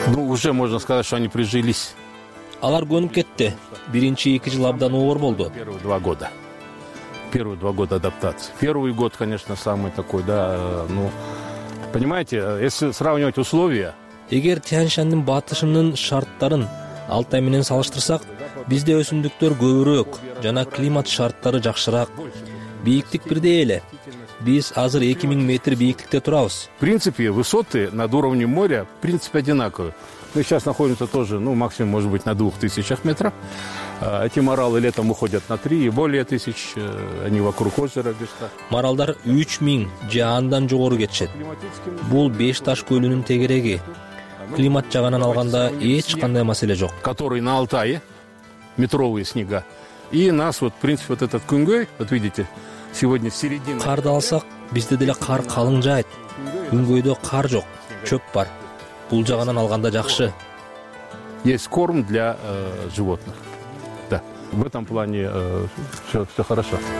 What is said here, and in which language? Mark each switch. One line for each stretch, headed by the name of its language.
Russian: Уже можно сказать, что они прижились.
Kyrgyz: Алар көнүп кетти. Биринчи 2 жыл абдан оор болду.
Russian: Первые 2 года адаптации. Первый год, конечно, самый такой, да, ну, понимаете, если сравнивать условия.
Kyrgyz: Эгер Тянь-Шаньдын батышынын шарттарын Алтай менен салыштырсак, бизде өсүмдүктөр көбүрөөк жана климат шарттары жакшыраак. Бийиктик бирдей эле. Биз азыр 2000 метр бийиктикте турабыз.
Russian: В принципе, высоты над уровнем моря, в принципе, одинаковые. Мы сейчас находимся тоже, ну, максимум, может быть, на 2000 метров. Эти маралы летом уходят на 3 и более тысяч. Они вокруг озера где-то.
Kyrgyz: Маралдар 3000 же андан жогору кетишет. Бул Бешташ көлүнүн тегереги. Климат жагынан алганда эч кандай маселе жок.
Russian: Который на Алтае, метровые снега. И нас вот, в принципе, вот этот күнгөй, вот видите, сегодня середина.
Kyrgyz: Карды алсак, бизде деле кар калың жайт. Күнгөйдө кар жок, чөп бар. Бул жагынан алганда жакшы.
Russian: Есть корм для животных. Да. В этом плане все хорошо.